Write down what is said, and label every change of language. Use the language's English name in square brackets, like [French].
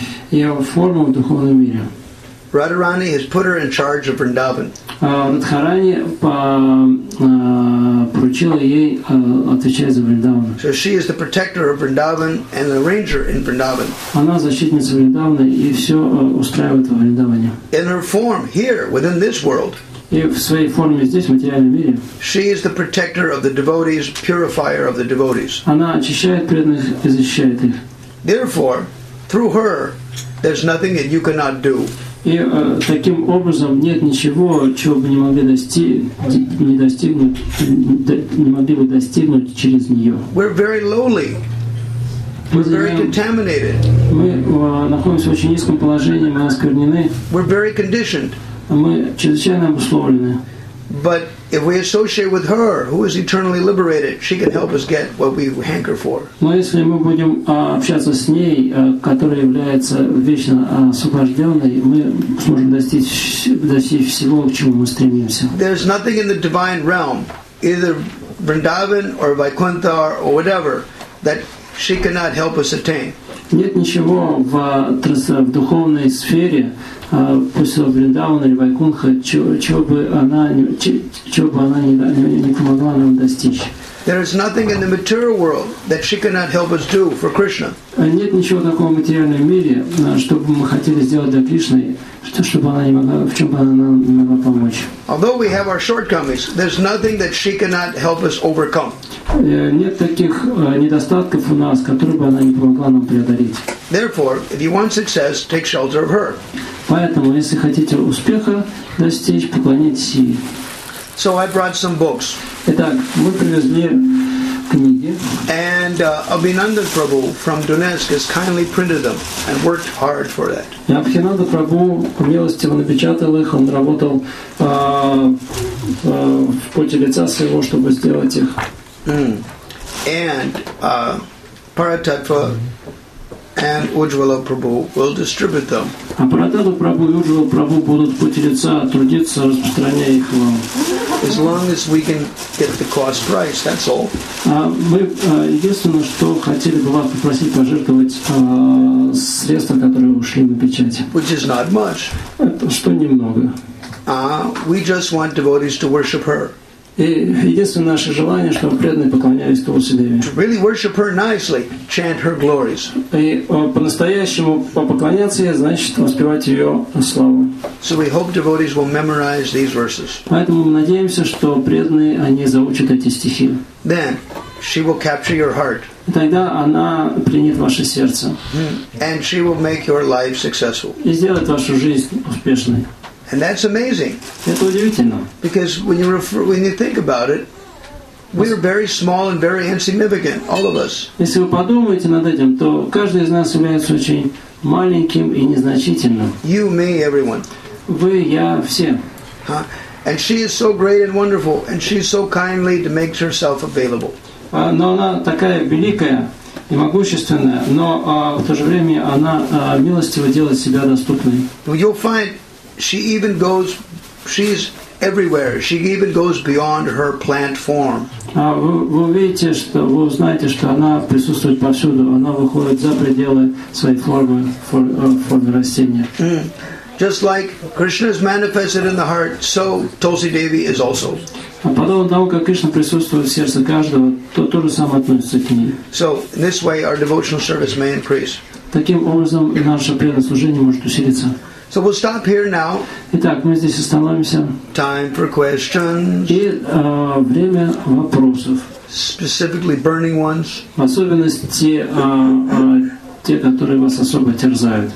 [Russian] Ее форму в духовном мире. [English] Radharani has put her in charge of Vrindavan. [Russian] Радхарани поручила ей отвечать за Вриндаван. [English] So she is the protector of Vrindavan and the ranger in Vrindavan. [Russian] Она защитница Вриндавана и все устраивает во Вриндаване. [English] In her form here within this world. [Russian] И в своей форме здесь, в материальном мире. [English] She is the protector of the devotees, purifier of the devotees. [Russian] Она очищает преданных и защищает их. [English] Therefore, through her, there's nothing that you cannot do. [Russian] И таким образом нет ничего, чего бы не могли бы достигнуть через нее. [English] We're very lowly. We're very contaminated. [Russian] Мы находимся в очень низком положении, мы осквернены. [English] We're very conditioned. [Russian] Мы чрезвычайно обусловлены. [English] But if we associate with her, who is eternally liberated, she can help us get what we hanker for. [Russian] Но если мы будем общаться с ней, которая является вечно освобожденной, мы сможем достичь всего, к чему мы стремимся. [English] There's nothing in the divine realm, either Vrindavan or Vaikuntha or whatever, that she cannot help us attain. [Russian] Нет ничего в духовной сфере, пусть в Вриндауне или Вайкунха, чего бы она не помогла нам достичь. [English] There is nothing in the material world that she cannot help us do for Krishna. [Russian] Нет ничего такого в материальном мире, чтобы мы хотели сделать для Кришны, чтобы она не могла, в чем бы она нам не могла помочь. [English] Although we have our shortcomings, there's nothing that she cannot help us overcome. [Russian] Нет таких недостатков у нас, которые бы она не помогла нам преодолеть. [English] Therefore, if you want success, take shelter of her. [Russian] Поэтому, если хотите успеха достичь, поклоняйтесь ей. [English] So I brought some books. [Russian] Итак, мы привезли книги. [English] And Abhinandan Prabhu from Donetsk has kindly printed them and worked hard for that. [Russian] И Абхинанда Прабу милостиво напечатал их, он работал в поте лица своего, чтобы сделать их. [English] And Paratattva and Ujjwala Prabhu will distribute them. [Russian] А Парататтва Прабу и Ujjwala Prabhu будут поте лица трудиться, распространяя их вам. [English] As long as we can get the cost price, that's all. [Russian] Единственное, что хотели бы вас попросить пожертвовать средства, которые ушли на печать. [English] Which is not much. [Russian] Это что немного. [English] We just want devotees to worship her. [Russian] Единственное наше желание, чтобы преданные поклонялись Тулсидеве. [English] To really worship her nicely, chant her glories. [Russian] И по-настоящему поклоняться ей, значит, воспевать ее славу. [English] So we hope devotees will memorize these verses. [Russian] Поэтому мы надеемся, что преданные они заучат эти стихи. [English] Then she will capture your heart. [Russian] И тогда она принят ваше сердце. [English] And she will make your life successful. [Russian] И сделает вашу жизнь успешной. [English] And that's amazing. [Russian] Это удивительно. [English] Because when you think about it, we are very small and very insignificant, all of us. [Russian] Если вы подумаете над этим, то каждый из нас является очень маленьким и незначительным. [English] You, me, everyone. [Russian] Вы, я, все. Huh? [English] And she is so great and wonderful, and she's so kindly to make herself available. [Russian] Но она такая великая и могущественная, но в то же время она милостиво делает себя доступной. [English] You'll find she even goes, she's everywhere. She even goes beyond her plant form. [Russian] Вы узнаете, что она присутствует повсюду. Она выходит за пределы своей формы растения. [English] Just like Krishna is manifested in the heart, so Tulsi Devi is also. [Russian] Подобно тому, как Кришна присутствует в сердце каждого, то же самое относится к ней. [English] So in this way, our devotional service may increase. [Russian] Таким образом, наше преданное служение может усилиться. [English] So we'll stop here now. [Russian] Итак, мы здесь остановимся. [English] Time for questions. [Russian] И время вопросов. [English] Specifically burning ones. [Russian] В особенности те, которые вас особо терзают.